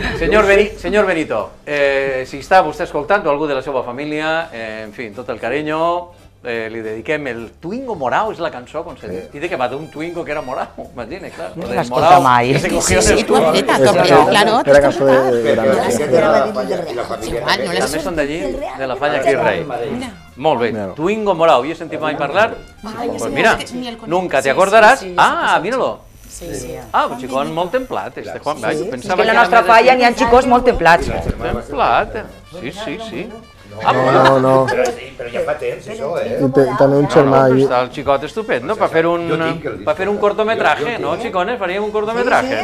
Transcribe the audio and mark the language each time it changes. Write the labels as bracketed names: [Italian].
[Catalan] Senyor Benito, si està vostè escoltant o algú de la seva família, en fi, tot el carinyo, li dediquem el Twingo Morao, és la cançó, com se diu. I de que va d'un Twingo que era Morao, imagina, clar. No l'has escoltat mai. Sí, sí, sí, sí, tu has dit, has tocat, clar, no? Era cançó de la Falla. També són d'allí, de la Falla Cris Rei. Molt bé, Twingo Morao, ¿hi has sentit mai parlar? [Spanish] Pues mira, nunca te acordarás. Ah, míralo. Sí, sí. [Catalan] Ah, un xicó molt templat, este Juan. Sí, sí. És que en la nostra falla n'hi ha xicós molt templats. Templat, sí, sí, sí. No, no, no. Però ja fa temps, això, eh? També un germà. Està el xicot estupendo, per fer un cortometraje, no, xicones? Faríem un cortometraje.